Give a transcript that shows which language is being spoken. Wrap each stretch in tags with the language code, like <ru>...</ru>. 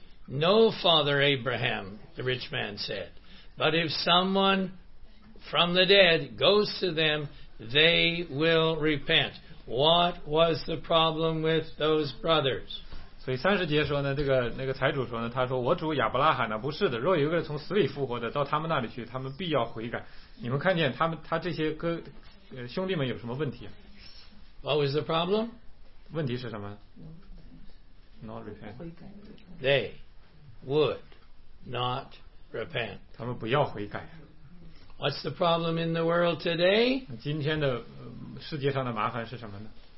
<en>No, Father Abraham, the rich man said, but if someone from the dead goes to them, they will repent. What was the problem with those brothers?</en> <zh>所以三十节说呢，这个那个财主说呢，他说我主亚伯拉罕呢，不是的，若有一个从死里复活的到他们那里去，他们必要悔改。你们看见他这些哥兄弟们有什么问题？</zh> <en>What was the problem?</en> <zh>问题是什么？</zh> <en>Not repent. They would not repent.</en> <zh>他们不要悔改。</zh> <en>What's the problem in the world today?</en> <zh>今天的世界上的麻烦是什么呢？</zh>